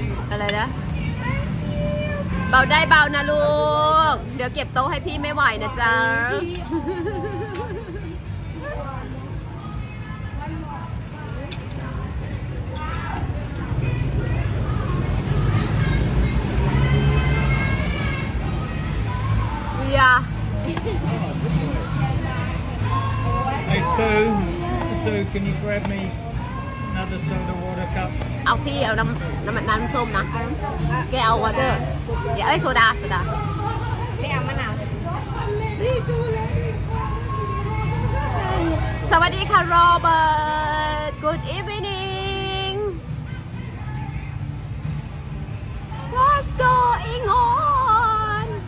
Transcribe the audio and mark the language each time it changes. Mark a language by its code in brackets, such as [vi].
[th] อะไรนะเบาได้เบานะลูกเดี๋ยวเก็บโต๊ะให้พี่ไม่ไหวนะจ๊ะยา [en] Hey Sue, can you grab me another soda water cup? [th] เอาพี่เอาน้ำส้มนะแกเอาวอเตอร์เดี๋ยวเอ้ยโซดา ไม่เอามะนาว สวัสดีค่ะ [en] โรเบิร์ต Good evening What's going on?